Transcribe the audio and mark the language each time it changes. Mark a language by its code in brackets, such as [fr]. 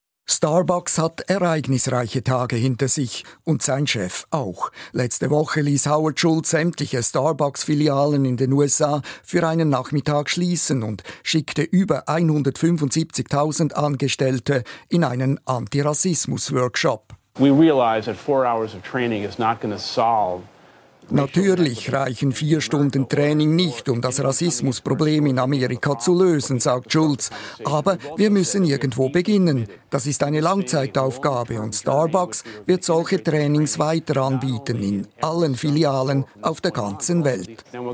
[de] Starbucks hat ereignisreiche Tage hinter sich und sein Chef auch. Letzte Woche ließ Howard Schultz sämtliche Starbucks-Filialen in den USA für einen Nachmittag schließen und schickte über 175.000 Angestellte in einen Antirassismus-Workshop. [en] We realize that 4 hours of training is not going to solve. [de] Natürlich reichen 4 Stunden Training nicht, um das Rassismusproblem in Amerika zu lösen, sagt Schultz. Aber wir müssen irgendwo beginnen. Das ist eine Langzeitaufgabe und Starbucks wird solche Trainings weiter anbieten in allen Filialen auf der ganzen Welt.